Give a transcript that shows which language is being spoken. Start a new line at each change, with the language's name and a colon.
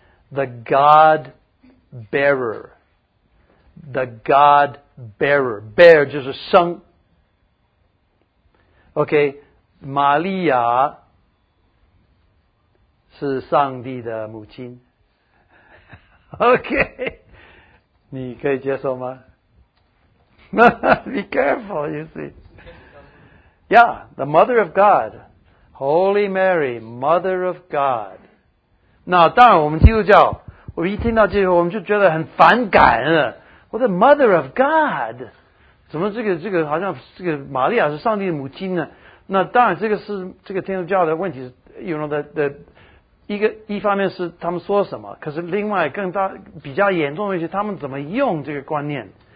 English: The God Bearer, The God Bearer,
Chinese: Bear 就是生, OK, 玛利亚 是上帝的母亲, OK, 你可以接受吗?
English: Be careful, you see. Yeah, the Mother of God, Holy Mary, Mother of God.
Chinese: 那当然我们基督教, 我们一听到这个, 我们就觉得很反感了, 我的 Mother of God, 怎么这个好像这个玛利亚是上帝的母亲呢? 那当然这个是这个天主教的问题, you know, 一方面是他们说什么, 可是另外更大, 比较严重的一些, 他们怎么用这个观念?